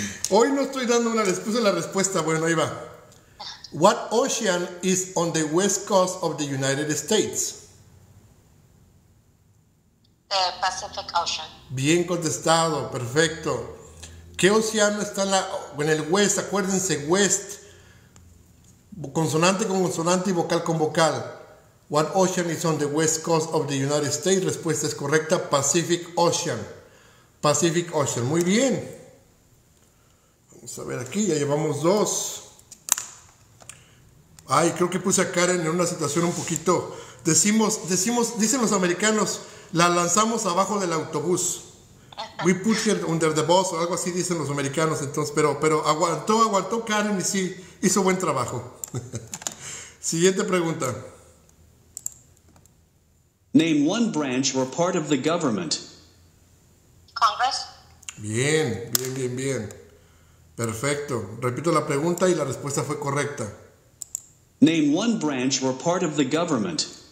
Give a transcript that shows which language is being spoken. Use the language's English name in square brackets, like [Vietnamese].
[Spanish] Hoy no estoy dando una, les puse la respuesta. Bueno, ahí va. [English] What ocean is on the west coast of the United States? The Pacific Ocean. [Spanish] Bien contestado, perfecto. ¿Qué océano está en, en el west? Acuérdense, west. Consonante con consonante y vocal con vocal. [English] What ocean is on the west coast of the United States? [Spanish] Respuesta es correcta, Pacific Ocean. Pacific Ocean, muy bien. Vamos a ver aquí, ya llevamos dos. Ay, creo que puse a Karen en una situación un poquito. Dicen los americanos, la lanzamos abajo del autobús. [English] We put her under the bus [Spanish] o algo así dicen los americanos. Entonces, pero aguantó Karen y sí, hizo buen trabajo. Siguiente pregunta. [English] Name one branch or part of the government. Congress. [Spanish] Bien, bien, bien, bien. Perfecto. Repito la pregunta y la respuesta fue correcta. [English] Name one branch or part of the government.